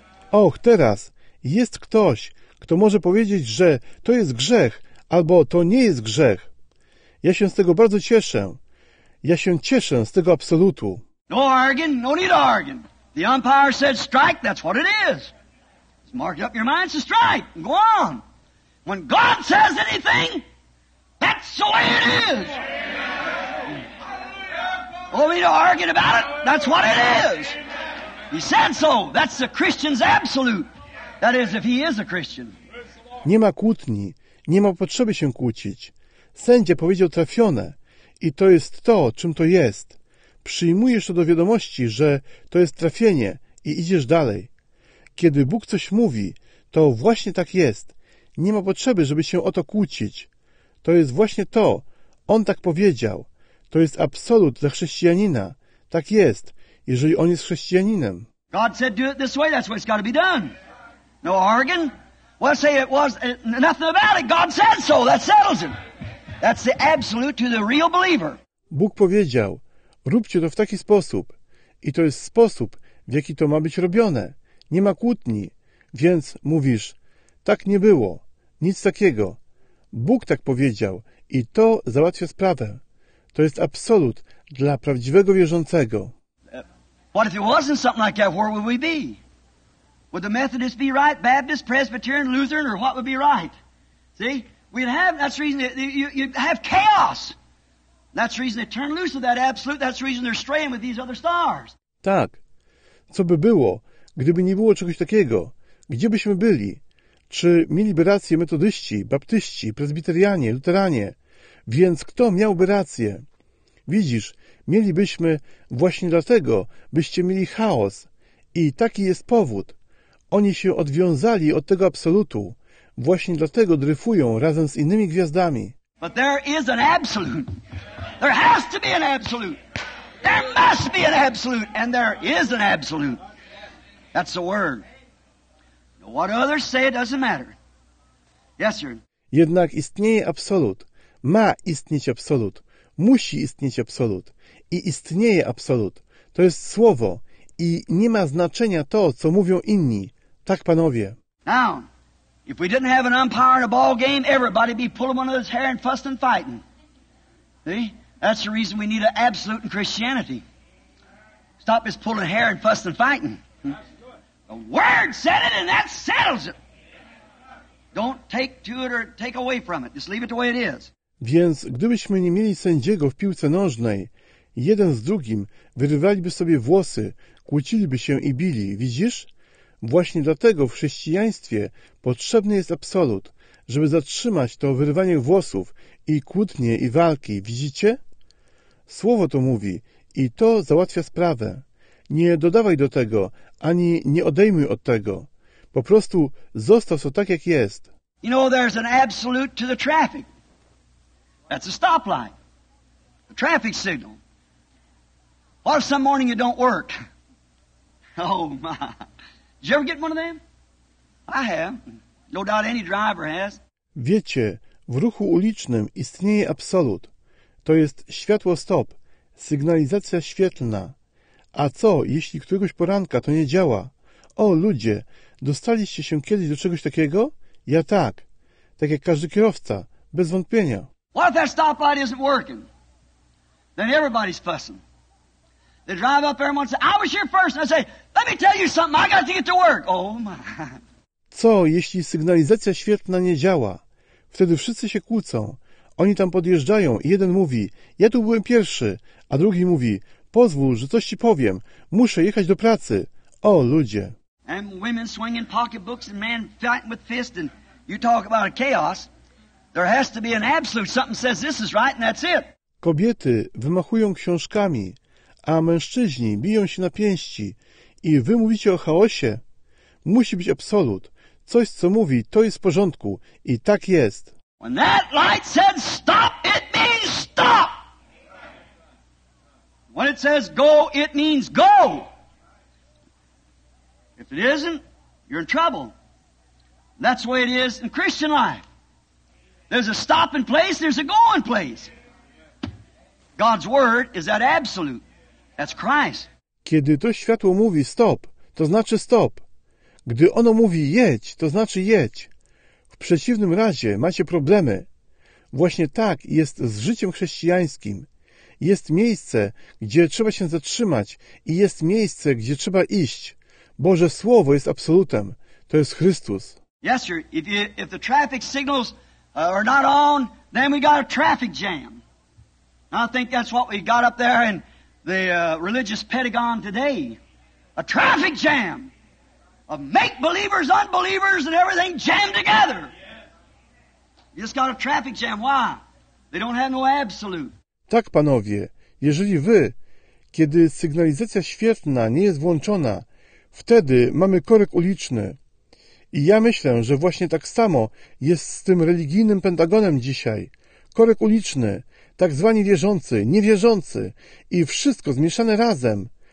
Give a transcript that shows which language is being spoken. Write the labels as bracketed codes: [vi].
[pl] Och, teraz jest ktoś, kto może powiedzieć, że to jest grzech, albo to nie jest grzech. Ja się z tego bardzo cieszę. Ja się cieszę z tego absolutu. [en] No arguing, no need arguing. The umpire said strike, that's what it is. It's marked up in your mind, it's a strike. Go on. When God says anything, that's the way it is. Don't need to argue about it, that's what it is. He said so, that's the Christian's absolute. That is, if he is a Christian. [pl] Nie ma kłótni, nie ma potrzeby się kłócić. Sędzia powiedział trafione i to jest to, czym to jest. Przyjmujesz to do wiadomości, że to jest trafienie i idziesz dalej. Kiedy Bóg coś mówi, to właśnie tak jest. Nie ma potrzeby, żeby się o to kłócić. To jest właśnie to. On tak powiedział. To jest absolut dla chrześcijanina. Tak jest, jeżeli on jest chrześcijaninem. [en] God said do it this way, that's what it's got to be done. No arguing. Well, say it was nothing about it. God said so, that settles it. That's the absolute to the real believer. [pl] Bóg powiedział, róbcie to w taki sposób. I to jest sposób, w jaki to ma być robione. Nie ma kłótni. Więc mówisz, tak nie było. Nic takiego. Bóg tak powiedział i to załatwia sprawę. To jest absolut dla prawdziwego wierzącego. [en] What if it wasn't something like that, where would we be? Would the Methodist be right? Baptist, Presbyterian, Lutheran, or what would be right? See, we'd have, that's the reason you'd have chaos. That's the reason they turn loose of that absolute. That's the reason they're straying with these other stars. [pl] Tak. Co by było, gdyby nie było czegoś takiego? Gdzie byśmy byli? Czy mieliby rację metodyści, baptyści, prezbiterianie, luteranie? Więc kto miałby rację? Widzisz, mielibyśmy właśnie dlatego, byście mieli chaos. I taki jest powód. Oni się odwiązali od tego absolutu. Właśnie dlatego dryfują razem z innymi gwiazdami. [en] But there is an absolute. There has to be an absolute. There must be an absolute. And there is an absolute. That's the word. What others say doesn't matter. Yes, sir. [pl] Jednak istnieje absolut. Ma istnieć absolut. Musi istnieć absolut. I istnieje absolut. To jest słowo. I nie ma znaczenia to, co mówią inni. Tak, panowie. [en] Now, if we didn't have an umpire in a ball game, everybody be pulling one of his hair and fussing and fighting. See? That's the reason we need an absolute in Christianity. Stop just pulling hair and fussing and fighting. The word said it and that settles it. Don't take to it or take away from it. Just leave it the way it is. [pl] Więc gdybyśmy nie mieli sędziego w piłce nożnej, jeden z drugim wyrywaliby sobie włosy, kłóciliby się i bili, widzisz? Właśnie dlatego w chrześcijaństwie potrzebny jest absolut, żeby zatrzymać to wyrywanie włosów i kłótnie i walki, widzicie? Słowo to mówi i to załatwia sprawę. Nie dodawaj do tego, ani nie odejmuj od tego. Po prostu zostaw to tak, jak jest. [en] You know, there's an absolute to the traffic. That's a stoplight. A traffic signal. What if some morning you don't work? Oh, my. Did you ever get one of them? I have. No doubt any driver has. [pl] Wiecie, w ruchu ulicznym istnieje absolut. To jest światło stop, sygnalizacja świetlna. A co, jeśli któregoś poranka to nie działa? O, ludzie, dostaliście się kiedyś do czegoś takiego? Ja tak. Tak jak każdy kierowca, bez wątpienia. [en] What if that stoplight isn't working? Then everybody's fussing. They drive up there and say, I was here first. And I say, let me tell you something, I got to get to work. Oh my. [pl] Co, jeśli sygnalizacja świetlna nie działa? Wtedy wszyscy się kłócą. Oni tam podjeżdżają i jeden mówi, ja tu byłem pierwszy, a drugi mówi, pozwól, że coś ci powiem. Muszę jechać do pracy. O, ludzie. [en] And women swinging pocketbooks and men fighting with fists and you talk about a chaos. There has to be an absolute. Something says this is right and that's it. [pl] Kobiety wymachują książkami, a mężczyźni biją się na pięści. I wy mówicie o chaosie? Musi być absolut. coś, co mówi, to jest w porządku i tak jest. [en] When that light said stop, it means stop. When it says go, it means go. If it isn't, you're in trouble. That's the way it is in Christian life. There's a stopping place, there's a going place. God's word is that absolute. That's Christ. [pl] Kiedy to światło mówi stop, to znaczy stop. Gdy ono mówi jedź, to znaczy jedź. W przeciwnym razie macie problemy. Właśnie tak jest z życiem chrześcijańskim. Jest miejsce, gdzie trzeba się zatrzymać i jest miejsce, gdzie trzeba iść. Boże Słowo jest absolutem. To jest Chrystus. [en] Yes, sir. If the traffic signals are not on, then we got a traffic jam. I think that's what we got up there in the religious Pentagon today. A traffic jam. Of make-believers, unbelievers, and everything jammed together. You just got a traffic jam. Why? They don't have no absolute. [pl] Tak, panowie, jeżeli wy, kiedy sygnalizacja świetlna nie jest włączona, wtedy mamy korek uliczny. I ja myślę, że właśnie tak samo jest z tym religijnym Pentagonem dzisiaj. Korek uliczny, tak zwani wierzący, niewierzący i wszystko zmieszane razem.